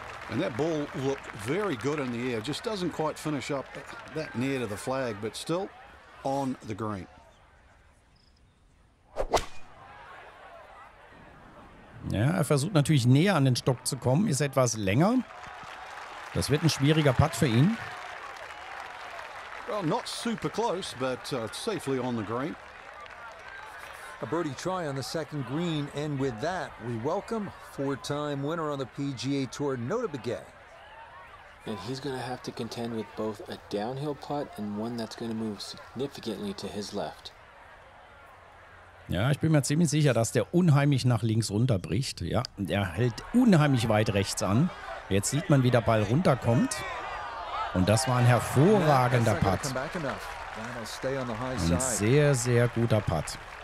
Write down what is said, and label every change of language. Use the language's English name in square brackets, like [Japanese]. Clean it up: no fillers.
[English] And that ball looked very good in the air. Just doesn't quite finish up that near to the flag, but still on the green. [German] Ja, er versucht natürlich näher an den Stock zu kommen, ist etwas länger. Das wird ein schwieriger Putt für ihn. [English] Well, not super close, but safely on the green. A birdie try on the second green, and with that, we welcome 4-time winner on the PGA Tour, Nota Begay. And he's going to have to contend with both a downhill putt and one that's going to move significantly to his left. [German] Ja, ich bin mir ziemlich sicher, dass der unheimlich nach links runterbricht. Ja, er hält unheimlich weit rechts an. Jetzt sieht man, wie der Ball runterkommt. Und das war ein hervorragender Putt. Ein sehr, sehr guter Putt.